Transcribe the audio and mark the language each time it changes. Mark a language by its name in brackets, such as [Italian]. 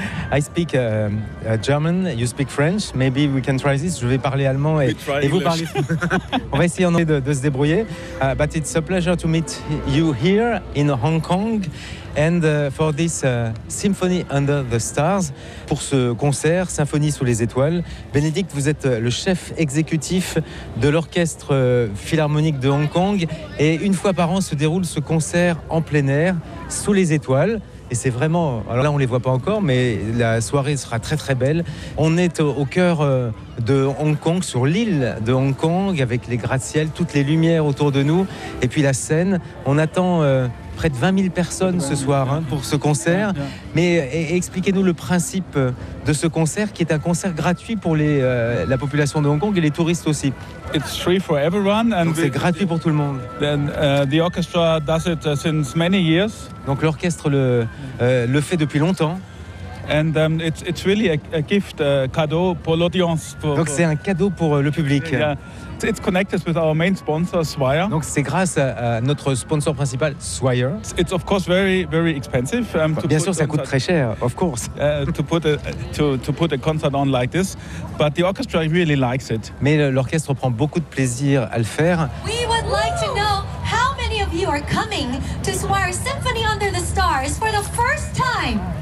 [English] I speak German, you speak French. Maybe we can try this. [French] Je vais parler allemand et vous parlez. On va essayer de se débrouiller. [English] But it's a pleasure to meet you here in Hong Kong and for this Symphony Under the Stars. [French] Pour ce concert, Symphonie sous les étoiles, Bénédicte, vous êtes le chef exécutif de l'Orchestre Philharmonique de Hong Kong. Et une fois par an se déroule ce concert en plein air, sous les étoiles. Et c'est vraiment, alors là on ne les voit pas encore, mais la soirée sera très très belle. On est au cœur de Hong Kong, sur l'île de Hong Kong, avec les gratte-ciels, toutes les lumières autour de nous, et puis la scène. On attend près de 20 000 personnes ce soir hein, pour ce concert. Mais expliquez-nous le principe de ce concert, qui est un concert gratuit pour la population de Hong Kong et les touristes aussi. [English] It's free for everyone, and [French] donc c'est gratuit pour tout le monde. [English] Then the orchestra does it since many years. [French] Donc l'orchestre le fait depuis longtemps. [English] And it's really a gift, a cadeau pour l'audience. [French] Donc c'est un cadeau pour le public. [English] Yeah. It's connected with our main sponsor, Swire. [French] Donc c'est grâce à notre sponsor principal, Swire. [English] It's of course very very expensive. [French] Bien sûr, ça coûte très cher, [English] of course. To put a concert on like this, but the orchestra really likes it. [French] Mais l'orchestre prend beaucoup de plaisir à le faire. [English] We would like to know how many of you are coming to Swire Symphony Under the Stars for the first time.